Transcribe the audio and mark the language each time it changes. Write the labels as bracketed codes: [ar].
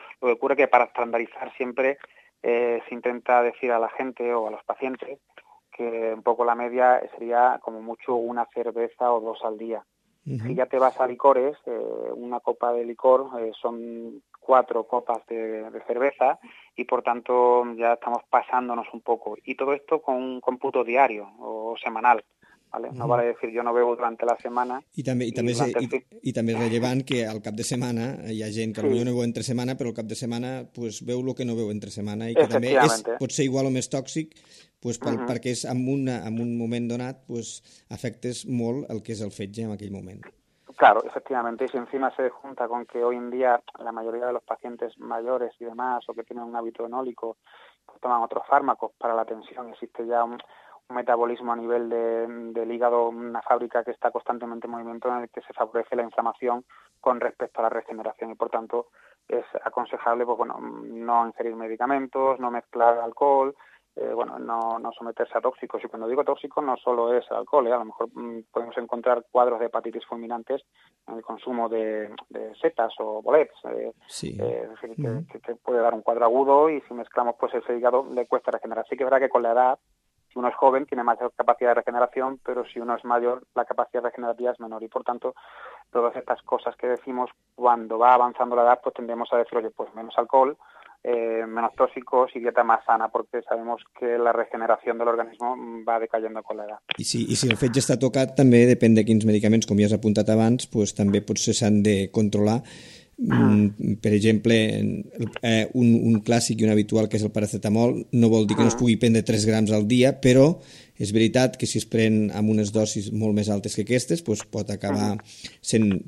[es] Lo que ocurre es que para estandarizar siempre se intenta decir a la gente o a los pacientes que un poco la media sería como mucho una cerveza o dos al día. Si ya te vas a licores, una copa de licor son cuatro copas de cerveza y, por tanto, ya estamos pasándonos un poco. Y todo esto con un cómputo diario o semanal, ¿vale? Uh-huh. No vale decir yo no bebo durante la semana. [ca] I també és rellevant que al cap de setmana hi ha gent que potser no beu entre setmana, però al cap de setmana pues, beu el que no beu entre setmana i que també és, pot ser igual o més tòxic. Pues pel, uh-huh, perquè és en un moment donat pues afectes molt el que és el fetge en aquell moment. [es] Claro, efectivamente, y si encima se junta con que hoy en día la mayoría de los pacientes mayores y demás o que tienen un hábito enólico pues toman otros fármacos para la tensión, existe ya un metabolismo a nivel del hígado, una fábrica que está constantemente en movimiento en el que se favorece la inflamación con respecto a la regeneración y por tanto es aconsejable pues bueno, no ingerir medicamentos, no mezclar alcohol, no someterse a tóxicos. Y cuando digo tóxico, no solo es alcohol, ¿eh? A lo mejor podemos encontrar cuadros de hepatitis fulminantes en el consumo de setas o bolets. Sí. Es decir, que puede dar un cuadro agudo y si mezclamos pues ese hígado le cuesta regenerar. Sí que es verdad que con la edad, si uno es joven, tiene mayor capacidad de regeneración, pero si uno es mayor, la capacidad regenerativa es menor. Y por tanto, todas estas cosas que decimos, cuando va avanzando la edad, pues tendemos a decir, oye, pues menos alcohol, menos tóxicos y dieta más sana, porque sabemos que la regeneración del organismo va decayendo con la edad. [ca] I si el fetge està tocat, també depèn de quins medicaments, com ja has apuntat abans, pues, també potser s'han de controlar Per exemple, un clàssic i un habitual que és el paracetamol no vol dir que no es pugui prendre 3 grams al dia, però és veritat que si es pren amb unes dosis molt més altes que aquestes, doncs pot acabar sent...